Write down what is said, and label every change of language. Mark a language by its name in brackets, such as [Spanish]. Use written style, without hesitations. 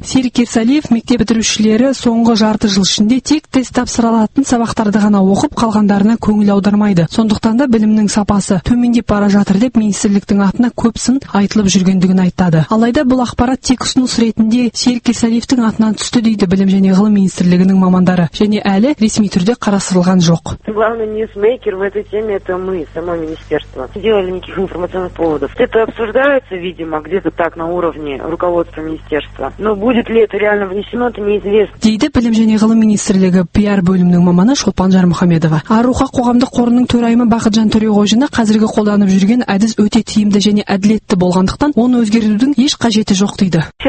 [Kazakh] Серік Ерсалиев мектеп бітірушілері соңғы жарты жыл ішінде тек тест тапсыра алатын сабақтарды ғана оқып қалғандарына көңіл аудармайды. Сондықтан да білімнің сапасы төмендеп бара жатыр деп министрліктің атына көп сын айтылып жүргендігін айтады. Алайда бұл ақпарат тек ұсыныс ретінде Серік Ерсалиевтің атынан түсті дейді білім және ғылым министрлігінің мамандары және әлі ресми түрде қарастырылған жоқ. [Russian] Главный ньюсмейкер в этой теме это мы, само министерство. Не делали никаких информационных поводов. Это обсуждается, видимо, где-то так на уровне руководства министерства. Но будет ли это реально внесено, это неизвестно. [Kazakh] Дейді білім және ғылым министрлігі PR бөлімінің маманы Шолпан Жармұхамедова. Аруха қоғамдық қорының төрайымы Бақытжан Төреғожина қазіргі қолданып жүрген әдіс өте тиімді және әділетті болғандықтан оны өзгертудің еш қажеті жоқ дейді.